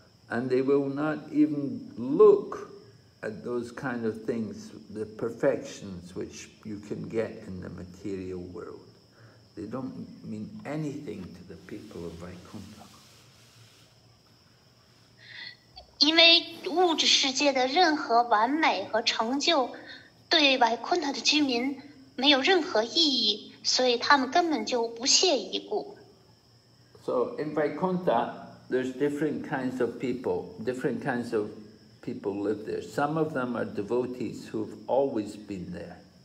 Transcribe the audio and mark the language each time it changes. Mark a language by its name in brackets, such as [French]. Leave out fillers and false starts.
[English] And they will not even look at those kind of things, the perfections which you can get in the material world. They don't mean anything to the people of Vaikuntha. [Chinese] 因为物质世界的任何完美和成就对维昆特的居民没有任何意义，所以他们根本就不屑一顾。 [English] So in Vaikuntha, there's different kinds of people. Different kinds of people live there. Some of them are devotees who've always been there.